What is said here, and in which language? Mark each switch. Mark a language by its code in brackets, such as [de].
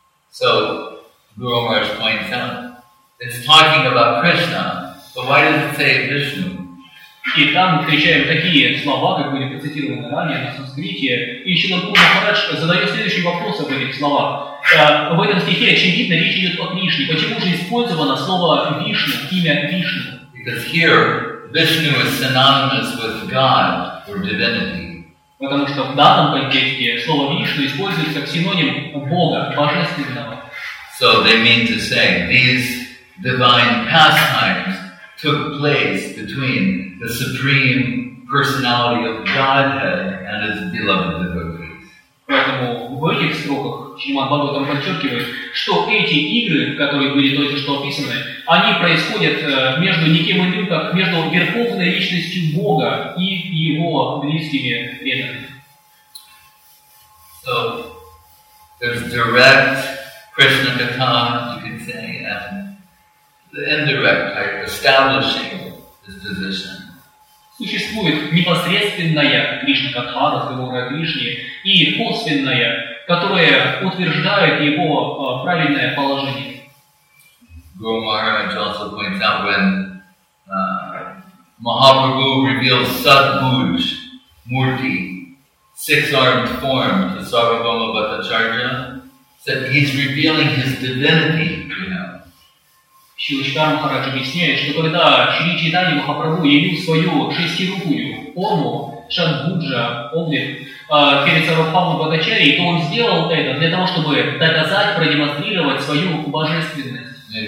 [en] So, Guru Maharaj points out, it's talking about Krishna, so why does it say Vishnu? [ru] И там мы встречаем такие слова, как были процитированы ранее на санскрите. И Шрила Гуру Махарадж задает следующий вопрос об этих словах. В этом стихе, очевидно, речь идет о Кришне. Почему же использовано слово Вишну, имя Вишну? [en] Because here Vishnu is synonymous with God or divinity. [ru] Потому что в данном контексте слово Вишну используется как синоним Бога, Божественного. [en] So they mean to say, these divine pastimes took place between the supreme personality of Godhead and his beloved devotees. [ru] Поэтому в этих строках Шримад-Бхагаватам подчеркивает, что эти игры, которые были только что описаны, они происходят между неким иным, как между верховной личностью Бога и его близкими преданными. [en] So there's direct Krishna Katha, you could say, and the indirect type establishing his position. [ru] Существует непосредственная Кришна-катха, разговоры о Кришне, и косвенная, которая утверждает его правильное положение. [en] Guru Maharaj also points out when Mahaprabhu reveals Satbhuj, Murti, six-armed form to Sarvabhauma Bhattacharya, said he's revealing his divinity, you know. [ru] Шри Чайтанья Махарадж объясняет, что когда Шри Чайтанья Махапрабху явил свою шестирукую форму, Шангуджа, облик, перед Сарвабхаумой Бхаттачарьей, то он сделал это для того, чтобы доказать, продемонстрировать свою божественность.